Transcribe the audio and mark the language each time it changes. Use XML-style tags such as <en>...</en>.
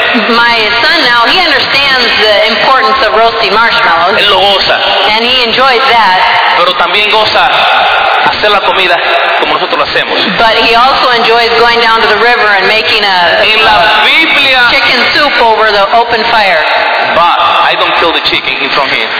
<en>My son now, he understands the importance of roasting marshmallows.</en> <es>Él lo goza.</es> <en>And he enjoys that.</en> <es>Pero también goza hacer la comida como nosotros lo hacemos.</es> <en>But he also enjoys going down to the river and making a chicken soup over the open fire. But I don't kill the chicken in front of him.</en>